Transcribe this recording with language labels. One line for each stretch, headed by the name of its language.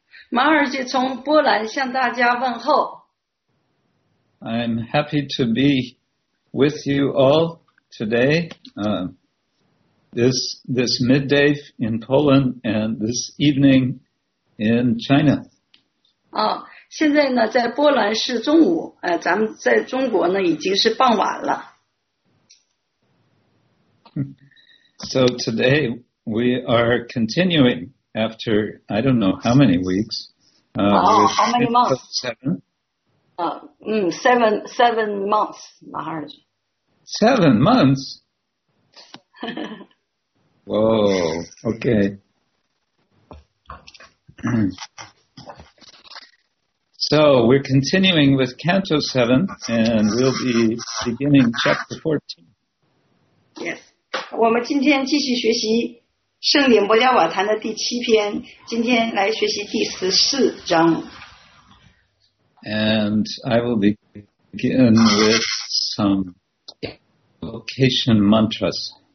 Chinese: 马尔济从波兰向大家问候。
English: I'm happy to be with you all today, this midday in Poland and this evening in China.
Chinese: 现在呢，在波兰是中午，咱们在中国呢，已经是傍晚了。
English: So today we are continuing after I don't know how many weeks. How many months? Seven months, Maharaj. 7 months? Whoa, okay. So we're continuing with Canto 7, and we'll be beginning Chapter 14. Yes.
Chinese: 我们今天继续学习圣典波迦瓦坛的第七篇，今天来学习第十四章。
English: And I will begin with some invocation mantras.